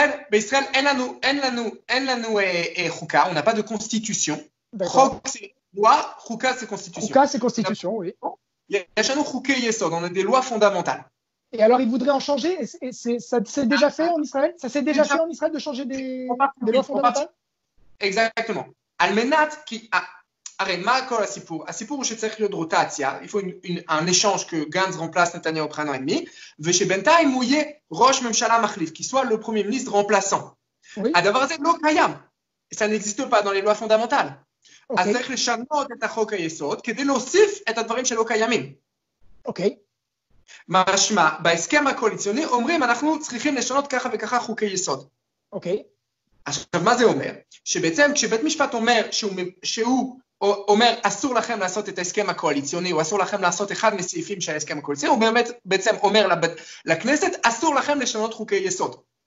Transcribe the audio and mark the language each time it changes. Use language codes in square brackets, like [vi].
[he] בישראל אין לנו חוקה, [fr] on n'a pas de constitution. [he] חוק זה לוא, חוקה זה constitution. חוקה זה constitution, oui. יש לנו חוקי יסוד, [fr] on a des lois fondamentales. Et alors ils voudraient en changer, c'est déjà fait en Israël? Ça s'est déjà fait en Israël de changer des lois fondamentales? Exactement. [he] על מנת כי, הרי מה כל הסיפור? הסיפור הוא שצריך להיות רוטציה, [fr] il faut un échange que Gantz remplace Netanyahu après un an et demi, [he] ושבינתיים הוא יהיה ראש ממשלה מחליף, [fr] qui soit le premier ministre remplaçant. [he] הדבר הזה לא קיים. [fr] Ça n'existe pas dans les lois fondamentales. [he] אז צריך לשנות את החוק היסוד, כדי להוסיף את הדברים שלא קיימים. אוקיי. משמע, בהסכם הקואליציוני אומרים, אנחנו צריכים לשנות ככה וככה חוקי יסוד. אוקיי. עכשיו, מה זה אומר? שבעצם כשבית משפט אומר שהוא אומר, אסור לכם לעשות את ההסכם הקואליציוני, או אסור לכם לעשות אחד מסעיפים של ההסכם הקואליציוני, הוא באמת בעצם אומר לכנסת, אסור לכם לשנות חוקי יסוד.